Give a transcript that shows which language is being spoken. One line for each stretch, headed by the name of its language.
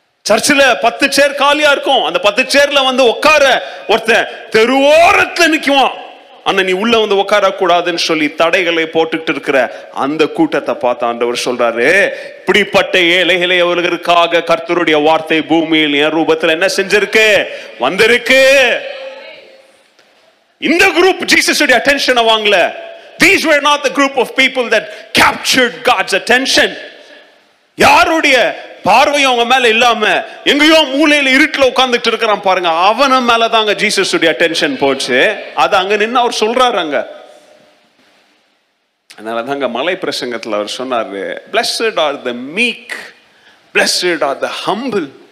Tamil: சர்ச்சில் 10 chair காலியா இருக்கும், அந்த 10 chair வந்து உட்கார ஒருத்தன் தெருவோரத்தில் நிற்குவான், அண்ணன் நீ உள்ள வந்து உட்காரக்கூடாதுன்னு சொல்லி தடைகளை போட்டுக்கிட்டு இருக்கிற அந்த கூட்டத்தை பார்த்து ஆண்டவர் சொல்றாரு, இப்படிப்பட்ட ஏழைகளை அவர்களுக்காக கர்த்தருடைய வார்த்தை பூமியில் என் ரூபத்தில் என்ன செஞ்சிருக்கு வந்திருக்கு. இந்த குரூப் ஜீசஸுடைய அட்டென்ஷனை வாங்கல.
English: These were not the group of people that captured God's attention.
Tamil: யாருடைய பார்வையும் அவங்க மேல இல்லாம எங்கேயோ மூலையில இருட்டுல உட்கார்ந்துட்டு இருக்கிறான் பாருங்க, அவன மேலதான் அங்க ஜீசஸுடைய அட்டென்ஷன் போச்சு. அது அங்க நின்று அவர் சொல்றாரு, அங்க அதனாலதான் மலை பிரசங்கத்துல அவர் சொன்னாரு,
English: blessed are the meek, blessed are the humble.